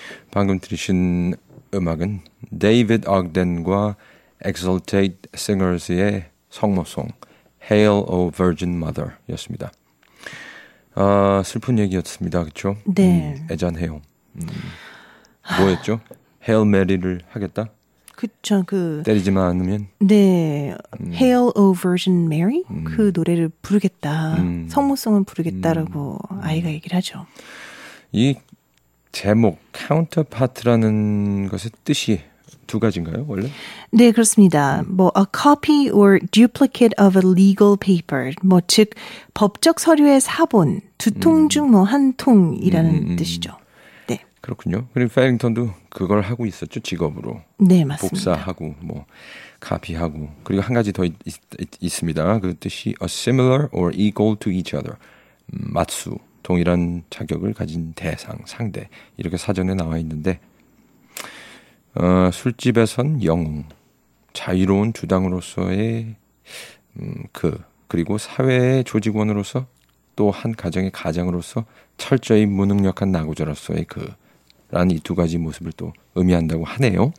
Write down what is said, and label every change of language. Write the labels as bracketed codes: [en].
[ko] 방금 들으신 음악은 데이빗 옥덴과 Exaltate Singers의 성모송 Hail, O Virgin Mother 였습니다. 아, 슬픈 얘기였습니다. 그렇죠? 네. 애잔해요. 뭐였죠? Hail Mary를 하겠다? 그렇죠. 그 때리지만 않으면 네. Hail, O Virgin Mary 그 노래를 부르겠다. 성모송을 부르겠다라고 아이가 얘기를 하죠. 이 제목 Counterpart라는 것의 뜻이 두 가지인가요, 원래? 네, 그렇습니다. 뭐 [en] a copy or duplicate of a legal paper. [ko] 뭐 즉 법적 서류의 사본, 두 통 중 뭐 한 통이라는 뜻이죠. 네. 그렇군요. 그리고 페링턴도 그걸 하고 있었죠, 직업으로. 네, 맞습니다. 복사하고 뭐 카피하고. 그리고 한 가지 더 있습니다. 그 뜻이 [en] a similar or equal to each other. [ko] 맞수, 동일한 자격을 가진 대상, 상대. 이렇게 사전에 나와 있는데 술집에선 영웅, 자유로운 주당으로서의 그리고 사회의 조직원으로서 또 한 가정의 가장으로서 철저히 무능력한 나고자로서의 그라는 이 두 가지 모습을 또 의미한다고 하네요.